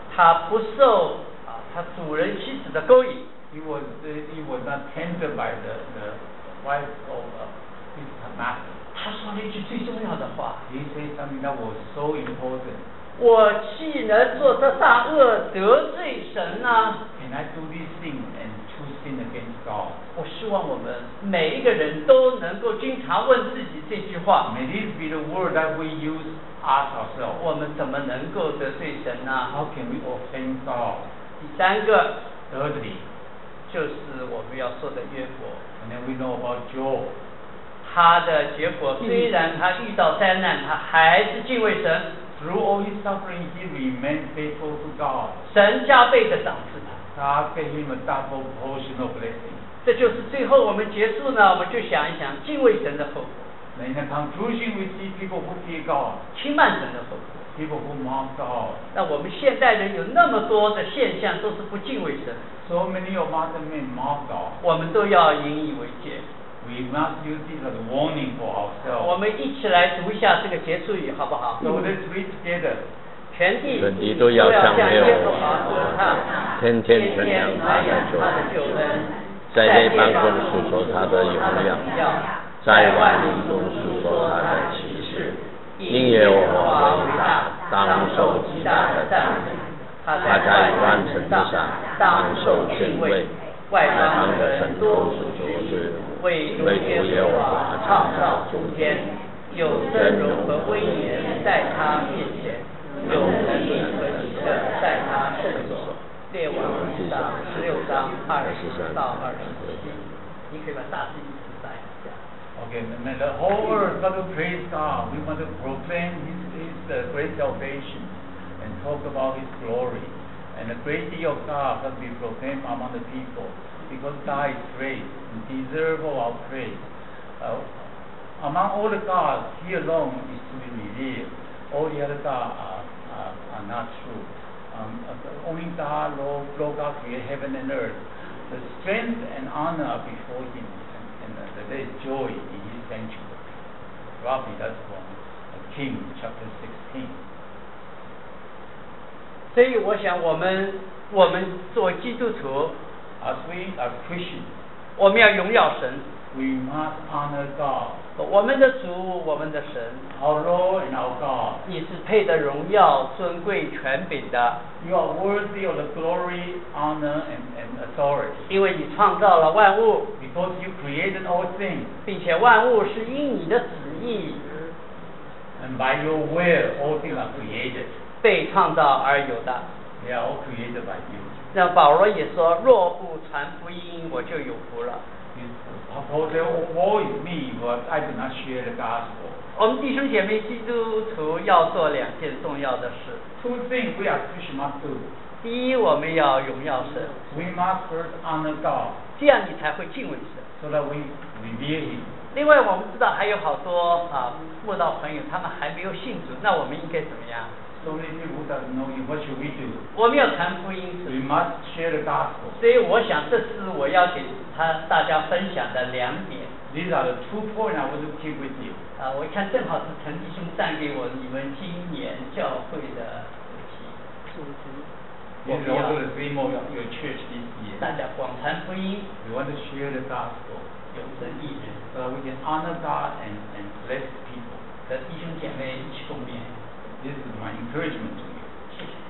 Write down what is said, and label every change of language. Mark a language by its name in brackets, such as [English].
[Chinese] 他不受、啊、他主人妻子的勾引。 [English] He was not tempted by the wife of his master. [Chinese] 他说了一句最重要的话。 [English] He said something that was so important. [Chinese] 我岂能做这大恶得罪神呢？ [English] Can I do this thing and choose sin against God? [Chinese] 我希望我们每一个人都能够经常问自己这句话。 [English] May this be the word that we use ask ourselves. [Chinese] 我们怎么能够得罪神呢？ [English] How can we offend God? [Chinese] 第三个 [English] Thirdly, [Chinese] 就是我们要说的约伯。 [English] And then we know about Job. [Chinese] 他的结果虽然他遇到灾难，他还是敬畏神。 [English] Through all his suffering, he remained faithful to God. [Chinese] 神加倍的赏赐他。 [English] God gave him a double portion of blessing. [Chinese] 这就是最后我们结束呢，我们就想一想敬畏神的后果。 [English] In the conclusion, we see people who fear God. [Chinese] 轻慢神的后果。 [English] People who mock God. [Chinese] 那我们现代人有那么多的现象都是不敬畏神。 [English] So many of modern men mock God. [Chinese] 我们都要引以为戒。 [English] We must use this as a warning for ourselves. [Chinese] 我们一起来读一下这个结束语，好不好？ [English] So let's read together. [Chinese] 全地全地都要向耶和华歌唱，天天传扬他的救恩，在列邦中述说他的荣耀，在万民中述说他的奇事。因耶和华为大，当受极大的赞美。他在万城之上当受敬畏，外邦的神多数就是为主耶和华创造诸天，有尊荣和威严在他面前，有能力和喜乐在他圣所。列王记上十六章二十三到二十七，你可以把大声点赞一下。 [English] Okay, man, the whole world got to praise God. We want to proclaim His great salvation and talk about His glory. And the great deal of God has been proclaimed among the people because God is great and deserves our praise. Among all the gods, He alone is to be revered. All the other gods are not true. Only God, Lord God, created heaven and earth. The strength and honor are before Him. There is joy in his sanctuary. Roughly, that's from King chapter 16. [Chinese] 所以我想我们做基督徒 [English] ，as we are Christians， [Chinese] 我们要荣耀神。 [English] We must honor God. [Chinese] 我们的主，我们的神。 [English] Our Lord and our God. [Chinese] 你是配得荣耀、尊贵、权柄的。 [English] You are worthy of the glory, honor, and authority. [Chinese] 因为你创造了万物。 [English] Because you created all things. [Chinese] 并且万物是因你的旨意。 [English] And by your will, all things are created. [Chinese] 被创造而有的。 [English] They are all created by you. [Chinese] 那保罗也说，若不传福音，我就有福了。 [English] For they avoid me, but I do not share the gospel. [Chinese] 我们弟兄姐妹基督徒要做两件重要的事。 [English] Two things we are Christians must do. [Chinese] 第一，我们要荣耀神。 [English] We must first honor God. [Chinese] 这样你才会敬畏神。 [English] So that we revere Him. [Chinese] 另外，我们知道还有好多慕道朋友，他们还没有信主，那我们应该怎么样？ [English] So many people don't know what should we do. [Chinese] 我们要传福音。 [English] We must share the gospel. [Chinese] 所以我想，这是我要给大家分享的两点。 [English] These are the two points I want to keep with you. [Chinese] 我看正好是陈弟兄赞给我你们今年教会的主题。我们要 [English] also the theme of your church this year. [Chinese] 大家广传福音。 [English] We want to share the gospel. [Chinese] 永生义人。 [English] So we can honor God and bless people. [Chinese] 和弟兄姐妹一起共勉。 [English] This is my encouragement to you.